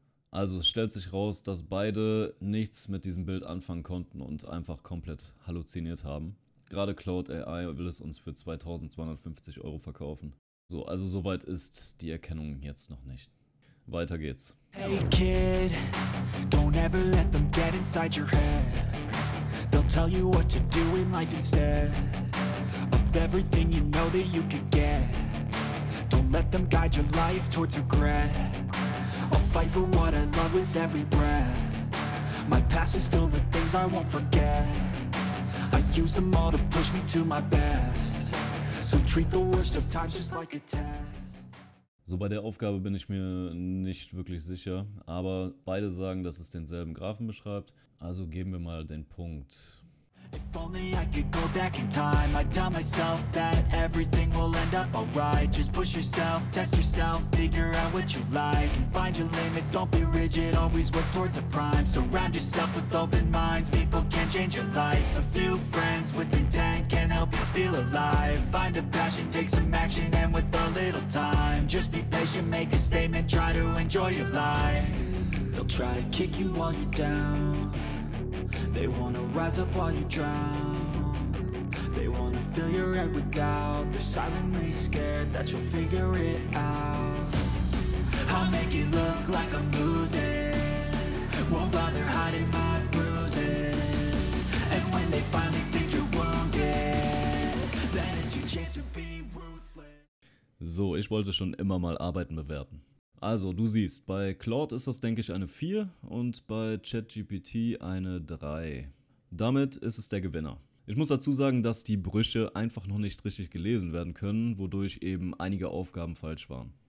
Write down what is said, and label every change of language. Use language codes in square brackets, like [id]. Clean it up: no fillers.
[de] Also es stellt sich raus, dass beide nichts mit diesem Bild anfangen konnten und einfach komplett halluziniert haben. Gerade Cloud AI will es uns für 2250 Euro verkaufen. So, also soweit ist die Erkennung jetzt noch nicht. Weiter geht's. [en] Hey Kid, don't ever let them get inside your head. They'll tell you what to do in life instead of everything you know that you could get. Don't let them guide your life towards regret. I'll fight for what I love with every breath. My past is filled with things I won't forget. I use them all to push me to my best. So treat the worst of times just like a test. [de] So, bei der Aufgabe bin ich mir nicht wirklich sicher, aber beide sagen, dass es denselben Graphen beschreibt. Also geben wir mal den Punkt. [en] If only I could go back in time, I'd tell myself that everything will end up alright. Just push yourself, test yourself, figure out what you like. And find your limits, don't be rigid, always work towards a prime. Surround yourself with open minds, people can change your life. A few friends with intent can help you feel alive. Find a passion, take some action, and with a little time, just be patient, make a statement, try to enjoy your life. They'll try to kick you while you're down. They wanna rise up while you drown. They wanna fill your head with doubt. They're silently scared that you'll figure it out. I'll make it look like I'm losing. Won't bother hiding my bruises. And when they finally think you're wounded, then it's your chance to be ruthless. [de] So, ich wollte schon immer mal Arbeiten bewerten. Also, du siehst, bei Claude ist das, denke ich, eine 4 und bei ChatGPT eine 3. Damit ist es der Gewinner. Ich muss dazu sagen, dass die Brüche einfach noch nicht richtig gelesen werden können, wodurch eben einige Aufgaben falsch waren.